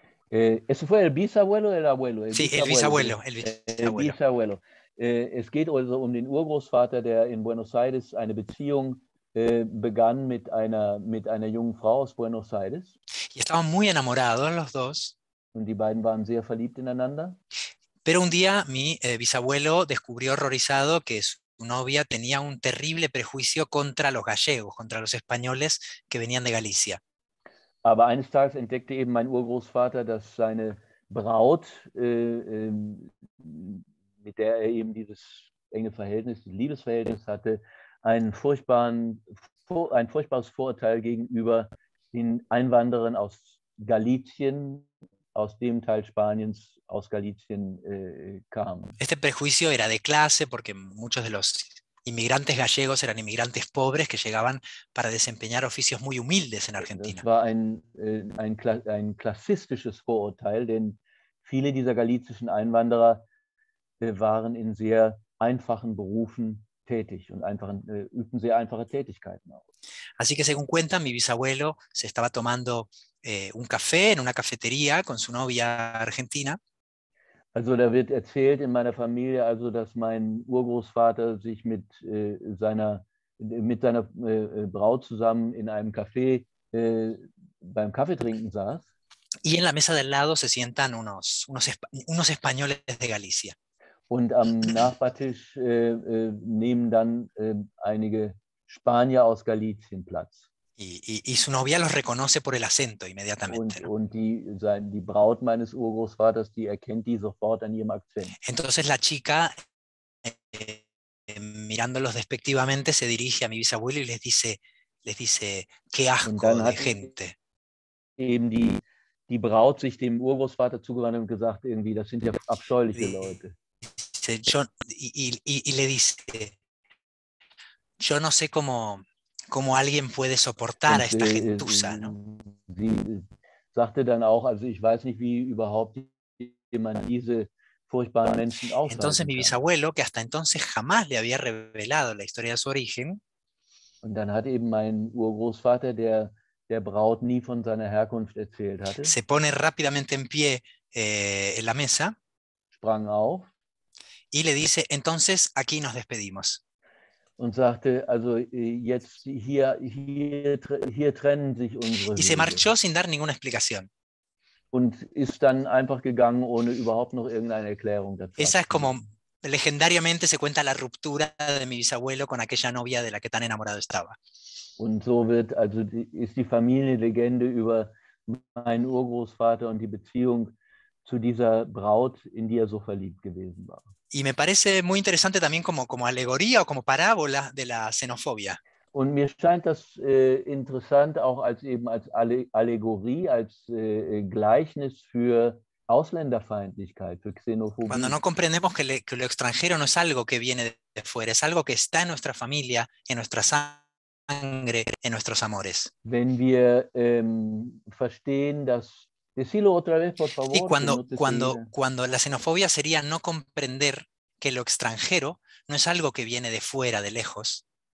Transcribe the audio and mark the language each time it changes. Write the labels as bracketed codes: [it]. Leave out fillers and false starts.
[es] ¿Eso fue el bisabuelo o el abuelo? El bisabuelo. [de] Es geht also um den Urgroßvater, der in Buenos Aires eine Beziehung begann mit einer jungen Frau aus Buenos Aires. [es] Y estaban muy enamorados los dos. [de] Und die beiden waren sehr verliebt ineinander. [es] Pero un día mi bisabuelo descubrió horrorizado que su novia tenía un terrible prejuicio contra los gallegos, contra los españoles que venían de Galicia. [de] Aber eines Tages entdeckte eben mein Urgroßvater, dass seine Braut, mit der er eben dieses enge Verhältnis, dieses Liebesverhältnis hatte, ein furchtbares Vorurteil gegenüber den Einwanderern aus Galicien, aus dem Teil Spaniens, aus Galicien kam. [es] Este prejuicio era de clase, porque muchos de los inmigrantes gallegos eran inmigrantes pobres que llegaban para desempeñar oficios muy humildes en Argentina. [de] Das war ein klassistisches Vorurteil, denn viele dieser galizischen Einwanderer waren in sehr einfachen Berufen tätig und einfach üben sehr einfache Tätigkeiten aus. [es] Así que según cuenta, mi bisabuelo se estaba tomando un café en una cafetería con su novia argentina. [de] Also da wird erzählt in meiner Familie, also dass mein Urgroßvater sich mit seiner Braut zusammen in einem Café beim Kaffeetrinken saß. [es] Y en la mesa del lado se sientan unos españoles de Galicia. [de] Und am Nachbartisch nehmen dann einige Spanier aus Galicien Platz. [es] Y su novia los reconoce por el acento inmediatamente. [de] Und die Braut meines Urgroßvaters, die erkennt die sofort an ihrem Akzent. [es] Entonces la chica, mirándolos despectivamente, se dirige a mi bisabuelo y les dice, qué asco de gente. [de] Eben die Braut sich dem Urgroßvater zugewandt und gesagt, irgendwie, das sind ja abscheuliche Leute. [es] Y le dice, yo no sé cómo alguien puede soportar a esta gentuza, ¿no? [de] Sie sagte dann auch, also ich weiß nicht, wie überhaupt jemand diese furchtbaren Menschen aushalten [es] Entonces mi bisabuelo, que hasta entonces jamás le había revelado la historia de su origen, [de] und dann hat eben mein Urgroßvater, der Braut nie von seiner Herkunft erzählt hatte, [es] se pone rápidamente en pie en la mesa, [de] sprang auf, [es] y le dice, entonces aquí nos despedimos. [de] Und sagte, also jetzt hier trennen sich unsere Wege. [es] Y se marchó sin dar ninguna explicación. [de] Und ist dann einfach gegangen, ohne überhaupt noch irgendeine Erklärung dazu. [es] Esa es como legendariamente se cuenta la ruptura de mi bisabuelo con aquella novia de la que tan enamorado estaba. [de] Und so wird, also ist die Familienlegende über meinen Urgroßvater und die Beziehung zu dieser Braut, in die er so verliebt gewesen war. [es] Y me parece muy interesante también como alegoría o como parábola de la xenofobia. [de] Und mir scheint das interessant auch als Allegorie, als Gleichnis für Ausländerfeindlichkeit, für Xenophobie. [es] Cuando no comprendemos que lo extranjero no es algo que viene de fuera, es algo que está en nuestra familia, en nuestra sangre, en nuestros amores. [de] Wenn wir verstehen, dass... [es] Decilo otra vez, por favor. Y cuando la xenofobia sería no comprender que lo extranjero no es algo que viene de fuera, de lejos.